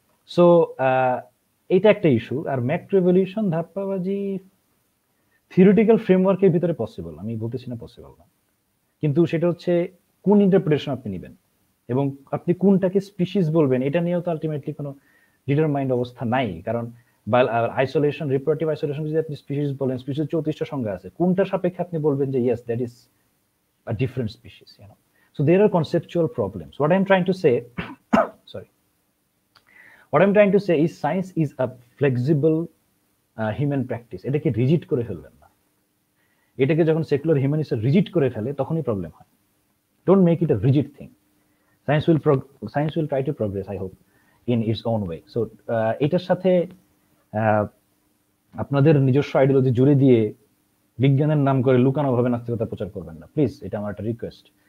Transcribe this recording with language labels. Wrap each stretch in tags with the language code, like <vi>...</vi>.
<bn>So এটা একটা issue. আর macro evolution ধাপ্পাবাজি theoretical ফ্রেমওয়ার্কের ভিতরে পসিবল, আমি বলতেছি না পসিবল না, কিন্তু সেটা হচ্ছে কোন ইন্টারপ্রিটেশন আপনি নেবেন এবং আপনি কোনটাকে স্পিসিস বলবেন এটা নিয়েও তো আলটিমেটলি কোনো ডিটারমাইন্ড অবস্থা নাই, কারণ আইসোলেশন রিপ্রোডাকটিভ আইসোলেশন যদি আপনি স্পিসিস বলেন, স্পিসিস 34টা সংখ্যা আছে, কোনটা সাপেক্ষে আপনি বলবেন যে</bn> <en>Yes that is a different species, you know? So there are conceptual problems. What I'm trying to say, sorry, what I'm trying to say is science is a flexible human practice.</en> <bn>এটাকে rigid করে ফেলবেন না, এটাকে যখন secular humanist rigid করে ফেলে তখনই problem হয়।</bn> <en>Don't make it a rigid thing, science will try to progress I hope in its own way.</en> <bn>So এটার সাথে আপনাদের নিজস্ব আইডিওলজি জুড়ে দিয়ে বিজ্ঞানের নাম করে লুকানোভাবে নাস্তিকতা প্রচার করবেন না প্লিজ, এটা আমার একটা রিকোয়েস্ট।</bn>